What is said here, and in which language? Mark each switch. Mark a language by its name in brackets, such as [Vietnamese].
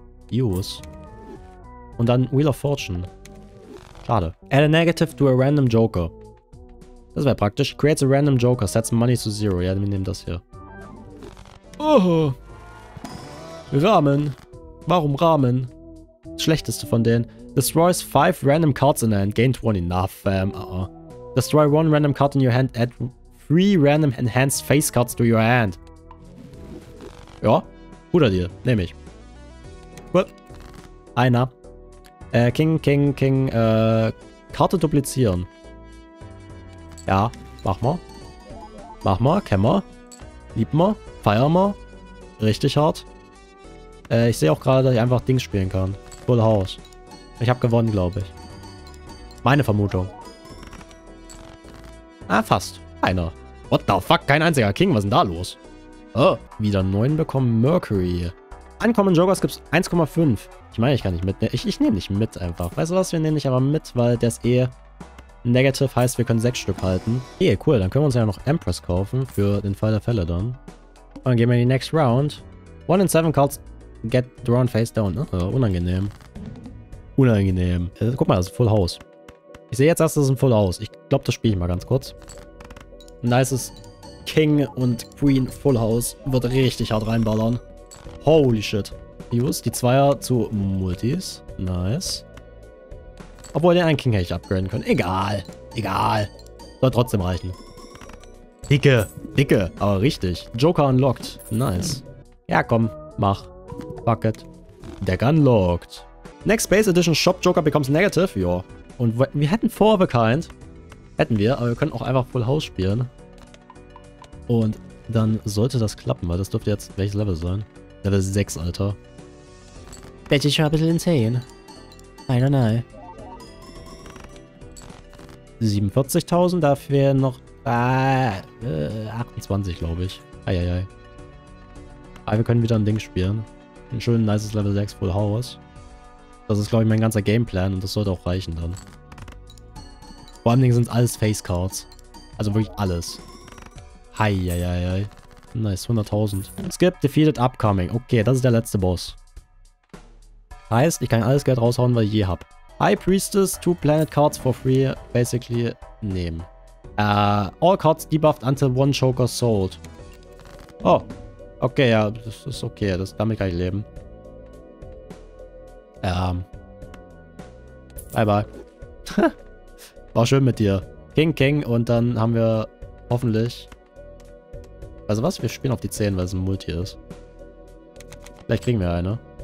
[German] Use. Und dann Wheel of Fortune. Schade. [English] Add a negative to a random Joker. [German] Das wäre praktisch. [English] Creates a random Joker. Sets money to zero. [German] Ja, wir nehmen das hier. Oh. Rahmen. Warum Rahmen? Das schlechteste von denen. [English] Destroys 5 random cards in hand. Gain 20. Na, fam. Uh-uh. Destroy 1 random card in your hand. Add 3 random enhanced face cards to your hand. Ja. [German] Guter Deal, nehme ich. Cool. Einer. Karte duplizieren. Ja, mach mal. Mach mal, kämmer. Lieb mal, feier mal. Richtig hart. Ich sehe auch gerade, dass ich einfach Dings spielen kann. Full House. Ich habe gewonnen, glaube ich. Meine Vermutung. Ah, fast. Einer. [English] What the fuck? [German] Kein einziger King. Was ist denn da los? Oh, wieder 9 bekommen. Mercury. Ankommen Jokers gibt es 1,5. Ich meine, ich kann nicht mit. Ich nehme nicht mit einfach. Weißt du was? Wir nehmen nicht aber mit, weil der ist eh negative. Heißt, wir können 6 Stück halten. Okay, cool. Dann können wir uns ja noch Empress kaufen. Für den Fall der Fälle dann. Und dann gehen wir in die next round. [English] 1 in 7 Cards get drawn face down. [German] Unangenehm. Unangenehm. Guck mal, das ist Full House. Ich sehe jetzt erst, das ist ein Full House. Ich glaube, das spiele ich mal ganz kurz. Nice King und Queen Full House. Wird richtig hart reinballern. [English] Holy shit. [German] Use die Zweier zu Multis. Nice. Obwohl, den einen King hätte ich upgraden können. Egal. Egal. Soll trotzdem reichen. Dicke. Dicke. Aber richtig. [English] Joker unlocked. [German] Nice. Ja, komm. Mach. [English] Fuck it. Deck unlocked. Next Base Edition Shop Joker becomes negative. [German] Ja. Und wir hätten Four of a Kind. Hätten wir, aber wir können auch einfach Full House spielen. Und dann sollte das klappen, weil das dürfte jetzt welches Level sein? Level 6, Alter. Bet ich schon ein bisschen insane. [English] I don't know. [German] 47.000, da fehlen noch 28, glaube ich. Eieiei. Aber wir können wieder ein Ding spielen. Ein schön nices Level 6 Full House. Das ist, glaube ich, mein ganzer Gameplan und das sollte auch reichen dann. Vor allen Dingen sind es alles Face-Cards. Also wirklich alles. Heieiei. Nice, 100.000. [English] Skip, defeated, upcoming. [German] Okay, das ist der letzte Boss. Heißt, ich kann alles Geld raushauen, was ich je hab. High Priestess, [English] 2 Planet Cards for free, basically, [German] nehmen. [English] All Cards debuffed until one Joker sold. [German] Oh. Okay, ja, das ist okay. Das, damit kann ich leben. Bye, bye. War schön mit dir. King, King. Und dann haben wir hoffentlich... Weißt du was? Wir spielen auf die 10, weil es ein Multi ist. Vielleicht kriegen wir eine.